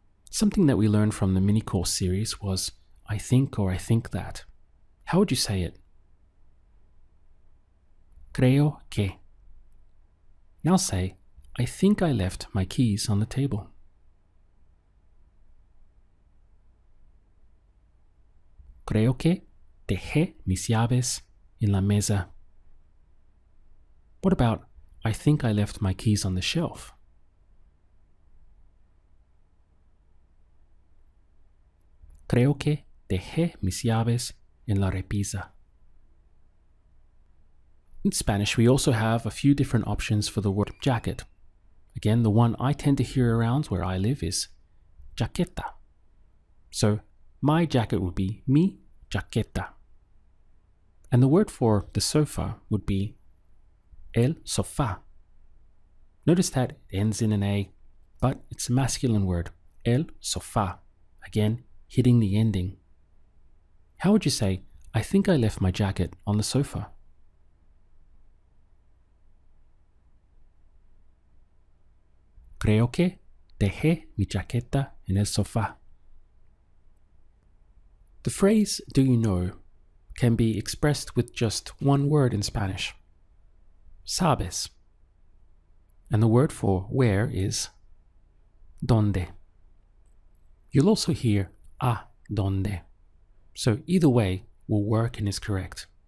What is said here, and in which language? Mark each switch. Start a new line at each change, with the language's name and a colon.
English: Something that we learned from the mini course series was I think or I think that. How would you say it?
Spanish: Creo que.
English: Now say, I think I left my keys on the table.
Spanish: Creo que dejé mis llaves en la mesa.
English: What about, I think I left my keys on the shelf?
Spanish: Creo que dejé mis llaves en la repisa.
English: In Spanish, we also have a few different options for the word jacket. Again, the one I tend to hear around where I live is chaqueta. So my jacket would be
Spanish: mi chaqueta.
English: And the word for the sofa would be el sofá. Notice that it ends in an A, but it's a masculine word, el sofá. Again, hitting the ending. How would you say, I think I left my jacket on the sofa?
Spanish: creo que dejé mi chaqueta en el sofá.
English: The phrase, do you know, can be expressed with just one word in Spanish. Sabes. And the word for where is donde. You'll also hear a donde. So either way will work and is correct.